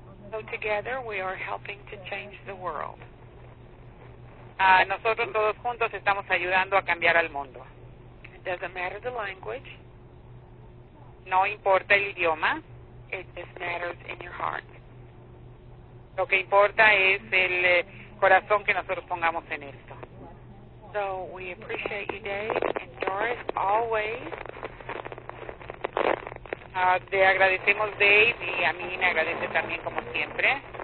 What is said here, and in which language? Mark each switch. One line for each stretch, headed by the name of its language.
English: So together we are helping to change the world.
Spanish: Nosotros todos juntos estamos ayudando a cambiar al mundo.
English: It doesn't matter the language.
Spanish: No importa el idioma.
English: It just matters in your heart.
Spanish: Lo que importa es el corazón que nosotros pongamos en esto.
English: So we appreciate you, Dave, and Doris, always
Spanish: Te agradecemos, Dave, y a mí me agradece también, como siempre.